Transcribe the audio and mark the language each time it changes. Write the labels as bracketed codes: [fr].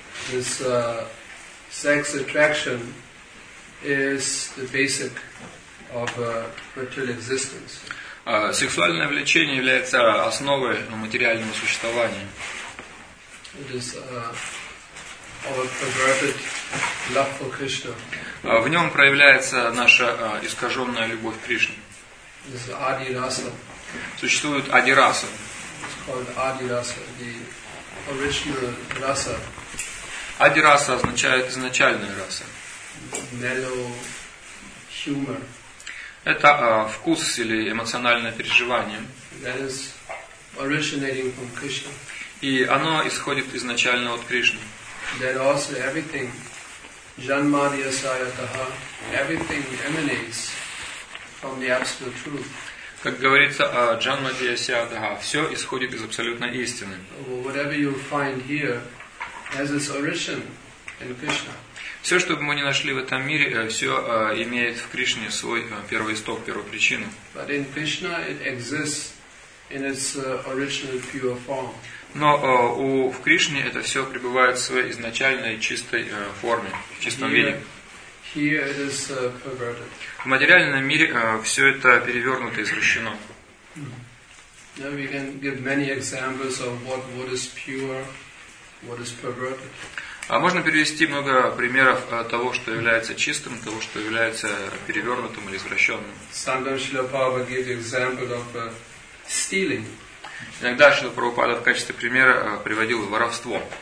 [en] This sex attraction is the basic of material existence. [ru] Сексуальное влечение является основой материального существования. [en] It is our perverted love for Krishna. [ru] В нем проявляется наша искаженная любовь к Кришне. [en] This is Adirasa. [ru] Существует Адираса. [en] It's called Adirasa, the original rasa. [ru] Адираса означает изначальная раса. [en] Mellow humor. [ru] Это вкус или эмоциональное переживание. [en] That is originating from Krishna. [ru] И оно исходит изначально от Кришны. [en] That also everything, janmadiyasayataha, everything emanates from the absolute truth. [ru] Как говорится, janmadiyasayataha, все исходит из абсолютной истины. [en] Well, whatever you find here has its origin in Krishna. [ru] Все, что бы мы ни нашли в этом мире, все имеет в Кришне свой первый исток, первую причину. [en] But in Krishna it exists in its original pure form. [ru] Но в Кришне это все пребывает в своей изначальной чистой форме, в чистом виде. [en] Here it is perverted. [ru] В материальном мире все это перевернуто, извращено. [en] Now we can give many examples of what is pure, what is perverted. [ru] А можно перевести много примеров того, что является чистым, того, что является перевернутым или извращенным. [en] Sometimes Srila Prabhupada gives example of stealing. [ru] Иногда Шрила Прабхупада в качестве примера приводил воровство.